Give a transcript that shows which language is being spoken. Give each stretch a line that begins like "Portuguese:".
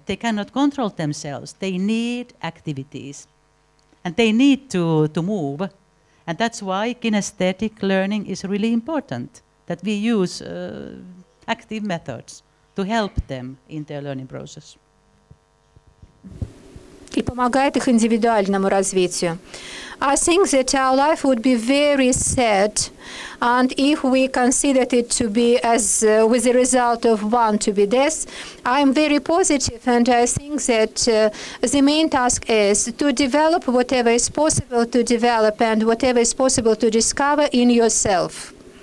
English: They cannot control themselves. They need activities, and they need to move. And that's why kinesthetic learning is really important, that we use active methods to help them in their learning process.
Russian: И помогает их индивидуальному развитию.
English: I think that our life would be very sad, and if we considered it to be as with the result of one to be death, I am very positive, and I think that the main task is to develop whatever is possible to develop and whatever is possible to discover in yourself.